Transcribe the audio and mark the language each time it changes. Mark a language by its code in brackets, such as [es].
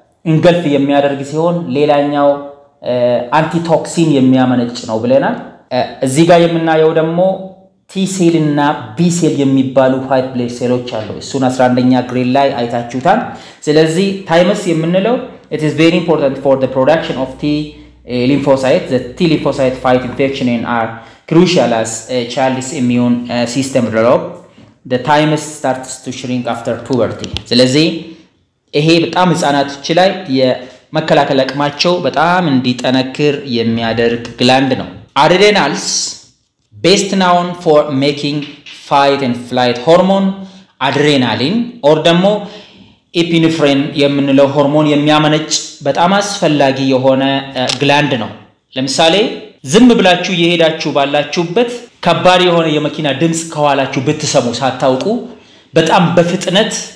[am] እንግልት የሚያደርግ ሲሆን ሌላኛው አንቲቶክሲን የሚያመነጭ ነው ብለናል። እዚህ ጋር የምናየው ደግሞ ቲ ሴል እና ቢ ሴል የሚባሉ ዋይት ብለድ ሴሎች አሉ። እሱን 11ኛ ግሬድ ላይ አይታችሁታል። ስለዚህ ታይመስ የምንለው [en] it is very important for the production of T lymphocytes. The T lymphocytes fight infection and are crucial as a child's immune system develops. The thymus starts to shrink after puberty. [am] ስለዚህ ይሄ በጣም ህፃናቶች ላይ የመከላከል አቅማቸው በጣም እንዲጠነክር የሚያደርግ ግላንድ ነው። [en] Adrenals best known for making fight and flight hormone adrenaline or demo epinephrine [am] የምንለው ሆርሞን የሚያመነጭ በጣም አስፈላጊ የሆነ ግላንድ ነው። ለምሳሌ ዝም ብላችሁ የሄዳችሁ ባላችሁበት ከባድ የሆነ የመኪና ድምጽ ከኋላችሁ ብትሰሙ ሳታውቁ በጣም በፍጥነት